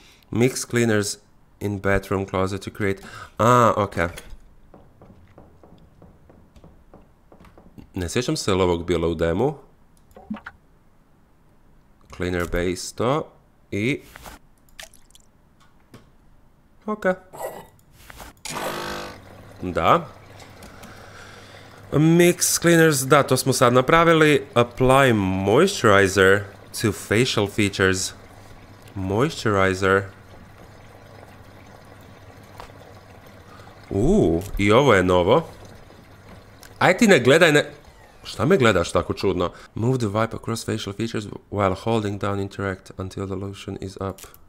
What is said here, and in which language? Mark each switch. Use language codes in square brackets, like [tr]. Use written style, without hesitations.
[en] Mix cleaners in bathroom closet to create... okej. [hr] Ne sjećam se li ovog bilo u demu. [en] Cleaner base, to. I... Okej. [hr] Da. [en] Mix cleaners, [hr] da, to smo sad napravili. [en] Apply moisturizer to facial features. Moisturizer. [hr] I ovo je novo. Aj ti ne gledaj, ne... Šta me gledaš tako čudno? [en] Move the wipe across facial features while holding down interact until the lotion is up.